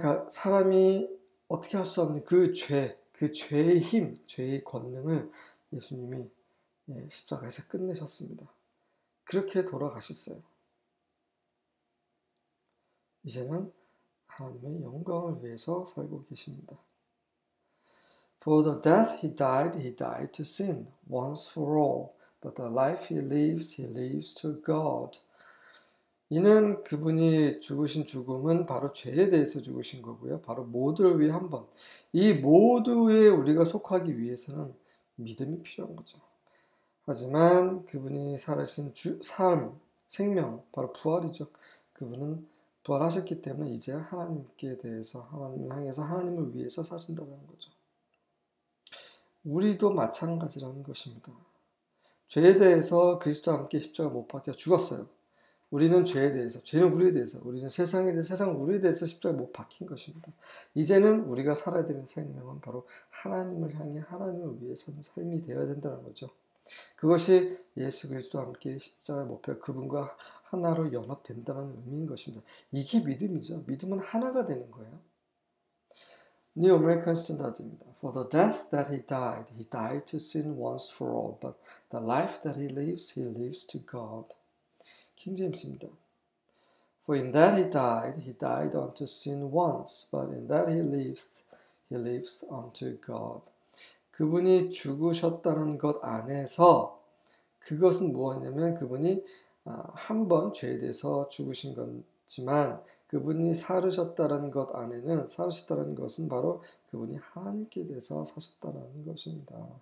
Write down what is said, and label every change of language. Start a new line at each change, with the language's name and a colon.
Korean: 사람이 어떻게 할수 없는 그 죄, 그 죄의 힘, 죄의 권능을 예수님이 십자가에서 끝내셨습니다. 그렇게 돌아가셨어요. 이제는 하나님의 영광을 위해서 살고 계십니다.
English: For the death he died to sin once for all, but the life he lives to God.
Korean: 이는 그분이 죽으신 죽음은 바로 죄에 대해서 죽으신 거고요. 바로 모두를 위해 한 번. 이 모두에 우리가 속하기 위해서는 믿음이 필요한 거죠. 하지만 그분이 살으신 삶, 생명, 바로 부활이죠. 그분은 부활하셨기 때문에 이제 하나님께 대해서, 하나님을 향해서 하나님을 위해서 사신다는 거죠. 우리도 마찬가지라는 것입니다. 죄에 대해서 그리스도와 함께 십자가 못 박혀 죽었어요. 우리는 죄에 대해서, 죄는 우리에 대해서, 우리는 세상에 대해서, 세상은 우리에 대해서 십자가에 못 박힌 것입니다. 이제는 우리가 살아야 되는 생명은 바로 하나님을 향해 하나님을 위해서는 삶이 되어야 된다는 거죠. 그것이 예수 그리스도와 함께 십자가에 못 박혀 그분과 하나로 연합된다는 의미인 것입니다. 이게 믿음이죠. 믿음은 하나가 되는 거예요. New American Standard입니다.
English: For the death that he died to sin once for all, but the life that he lives to God.
Korean: 킹제임스입니다.
English: For in that he died unto sin once, but in that he lives unto God.
Korean: 그분이 죽으셨다는 것 안에서 그것은 무엇이냐면 그분이 한번 죄에 대해서 죽으신 거지만 그분이 살으셨다는 것 안에는 살으셨다는 것은 바로 그분이 하나님께 대해서 사셨다는 것입니다.